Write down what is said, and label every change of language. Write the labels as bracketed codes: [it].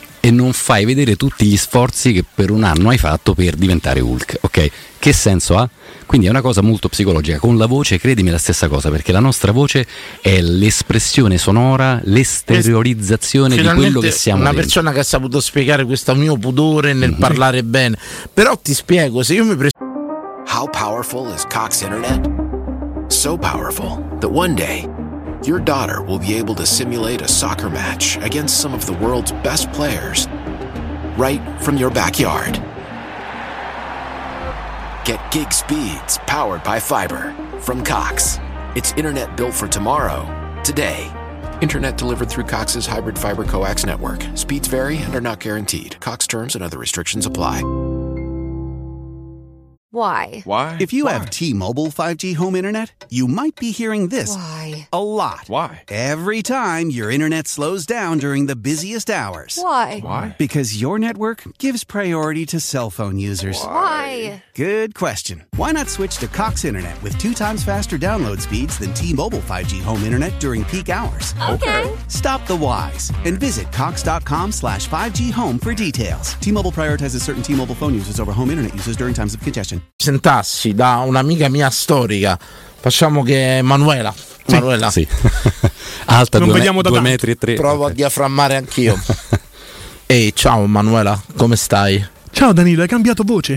[it] E non fai vedere tutti gli sforzi che per un anno hai fatto per diventare Hulk, ok? Che senso ha? Quindi è una cosa molto psicologica. Con la voce, credimi, è la stessa cosa, perché la nostra voce è l'espressione sonora, l'esteriorizzazione di quello che siamo. Una dentro. Persona che ha saputo spiegare questo mio pudore nel parlare bene. Però ti spiego, se io mi presento. [en] How powerful is Cox Internet? So powerful that one day your daughter will be able to simulate a soccer match against some of the world's best players right from your backyard. Get gig speeds powered by fiber from Cox. It's internet built for tomorrow, today. Internet delivered through Cox's hybrid fiber coax network. Speeds vary and are not guaranteed. Cox terms and other restrictions apply. Why? If you have T-Mobile 5G home internet, you might be hearing this a lot. Why? Every time your internet slows down during the busiest hours. Why? Because your network gives priority to cell phone users. Why? Good question. Why not switch to Cox Internet with 2x faster download speeds than T-Mobile 5G home internet during peak hours? Okay. Stop the whys and visit cox.com/5G home for details. T-Mobile prioritizes certain T-Mobile phone users over home internet users during times of congestion. [it] Sentassi da un'amica mia storica, facciamo che è Manuela. Sì, Manuela, sì. Alta 2 metri e 3. Provo a diaframmare anch'io. Ehi, ciao Manuela, come stai? Ciao Danilo, hai cambiato voce?